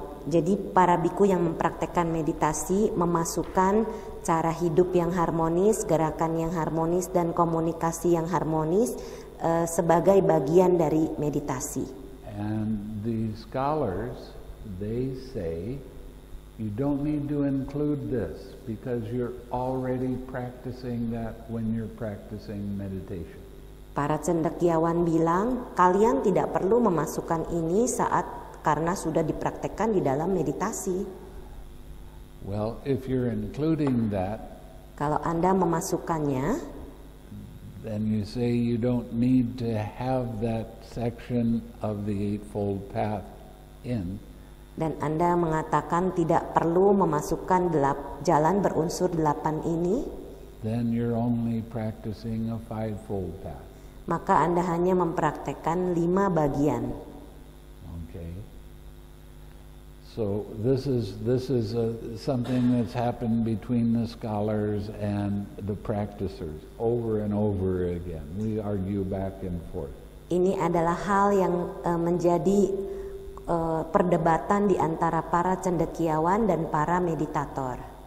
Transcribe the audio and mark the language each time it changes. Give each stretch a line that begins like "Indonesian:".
Indonesian: Jadi para bhikkhu yang mempraktekkan meditasi memasukkan cara hidup yang harmonis, gerakan yang harmonis, dan komunikasi yang harmonis sebagai bagian dari meditasi.
English: And the scholars, they say, you don't need to include this because you're already practicing that when you're practicing meditation.
Indonesian: Para cendekiawan bilang, kalian tidak perlu memasukkan ini saat karena sudah dipraktekkan di dalam meditasi.
English: Well, if you're including that,
Indonesian: kalau Anda memasukkannya,
English: then you say you don't need to have that section of the Eightfold Path in.
Indonesian: Dan Anda mengatakan tidak perlu memasukkan jalan berunsur delapan ini.
English: Then you're only practicing a fivefold path.
Indonesian: Maka Anda hanya mempraktekkan lima bagian.
English: Okay. So this is something that's happened between the scholars and the practitioners over and over again. We argue back and forth.
Indonesian: Ini adalah hal yang menjadi perdebatan di antara para cendekiawan dan para meditator.